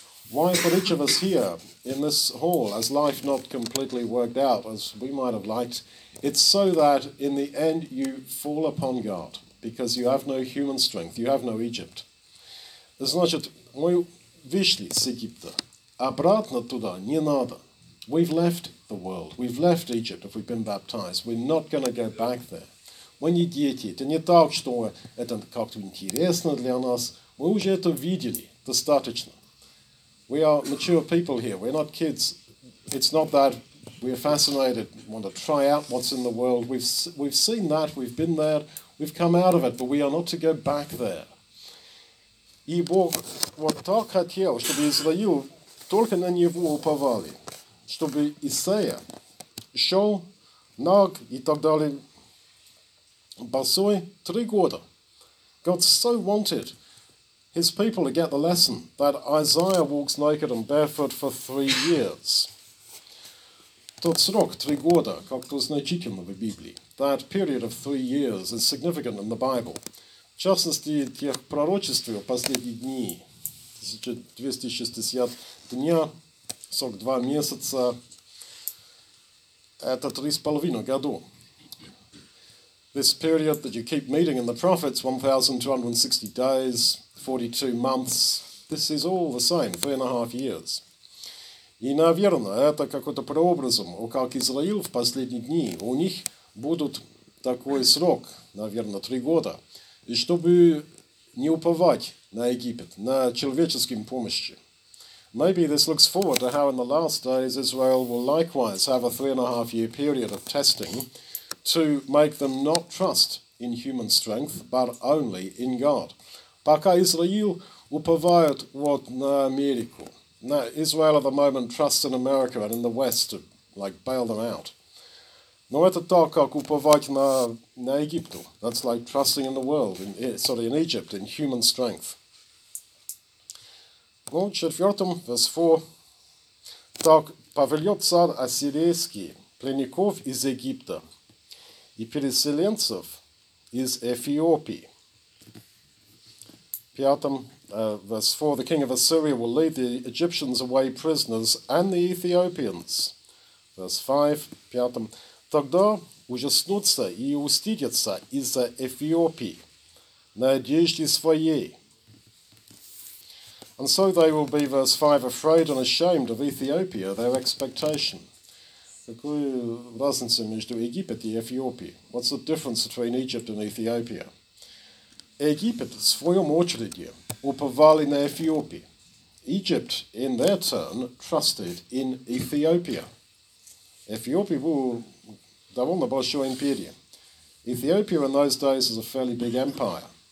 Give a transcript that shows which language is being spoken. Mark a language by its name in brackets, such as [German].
[English] Why for each of us here, in this hall, has life not completely worked out as we might have liked? It's so that in the end you fall upon God. Because you have no human strength. You have no Egypt. [Russian] Значит, мы вышли с Египта. Обратно туда не надо. [English] We've left the world. We've left Egypt if we've been baptized. We're not going to go back there. [Russian] Мы не дети. Это не так, что это как-то интересно для нас. Мы уже это видели. Достаточно. [English] We are mature people here. We're not kids. It's not that we're fascinated, want to try out what's in the world. We've seen that. We've been there. We've come out of it. But we are not to go back there. [Russian] И Бог вот так хотел, чтобы Израиль только на Него уповали, чтобы Исаия шел ног и так далее босой 3 года. [English] God so wanted his people to get the lesson that Isaiah walks naked and barefoot for 3 years. [Russian] Тот срок 3 года как-то значительно в Библии. [English] That period of 3 years is significant in the Bible. [Russian] В частности, тех пророчеств в последние дни, 260 дня, 42 месяца, это 3,5 года. [English] This period that you keep meeting in the prophets, 1,260 days, 42 months, this is all the same, 3.5 years. [Russian] И, наверное, это какой-то прообразом, о как Израиль в последние дни, у них будут такой срок, наверное, 3 года, и чтобы не уповать на Египет, на человеческим помощи. [English] Maybe this looks forward to how in the last days Israel will likewise have a 3.5 year period of testing to make them not trust in human strength, but only in God. [Russian] Пока Израиль уповает вот на Америку. [English] Now, Israel at the moment trusts in America and in the West to like bail them out. [Russian] Но это так, как уповать на Египту. [English] That's like trusting in the world, in Egypt, in human strength. Ну, 4, verse 4. [Russian] Так повелет царь ассирийский пленников из Египта и переселенцев из Эфиопии. [English] 5, verse 4. The king of Assyria will lead the Egyptians away prisoners and the Ethiopians. Verse 5, 5. [Russian] Тогда ужаснутся и устыдятся из-за Эфиопии, надежды своей. [English] And so they will be, verse 5, afraid and ashamed of Ethiopia, their expectation. [Russian] Какую разницу между Египет и Эфиопией? [English] What's the difference between Egypt and Ethiopia? [Russian] Египет, в своем очереди, уповали на Эфиопии. [English] Egypt, in their turn, trusted in Ethiopia. [Russian] Эфиопия была довольно большой империей. [English] Ethiopia in those days was a fairly big empire.